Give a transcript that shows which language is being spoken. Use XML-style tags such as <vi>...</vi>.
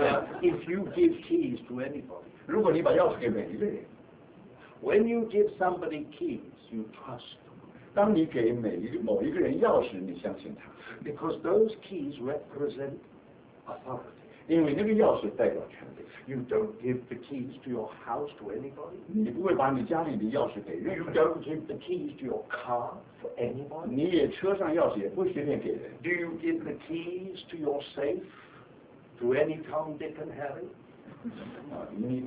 <en>If you give keys to anybody,</en> <zh>如果你把钥匙给每一个人</zh> <en>When you give somebody keys, you trust.</en> <zh>当你给某一个人钥匙，你相信他。</zh> <en>Because those keys represent authority.</en> <zh>因为那个钥匙代表权力。</zh> <en>You don't give the keys to your house to anybody.</en> <zh>你不会把你家里的钥匙给任何人。</zh> <en>You don't give the keys to your car for anybody.</en> <zh>你也车上钥匙也不随便给人。</zh> <en>Do you give the keys to your safe to any Tom, Dick, and Harry?</en>